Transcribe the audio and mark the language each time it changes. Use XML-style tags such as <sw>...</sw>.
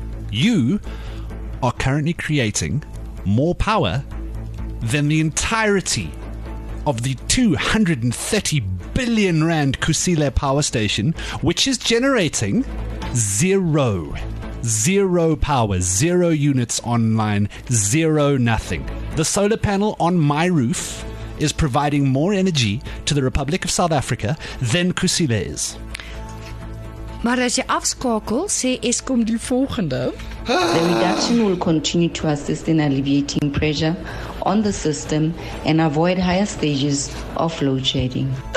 <en>You are currently creating more power than the entirety of the 230 billion rand Kusile power station, which is generating zero power, zero units online, zero nothing. The solar panel on my roof is providing more energy to the Republic of South Africa than Kusile is.</en> <af>Maar as jy afskakel, sê Eskom die volgende.</af> <en>The reduction will continue to assist in alleviating pressure on the system and avoid higher stages of load shedding.</en>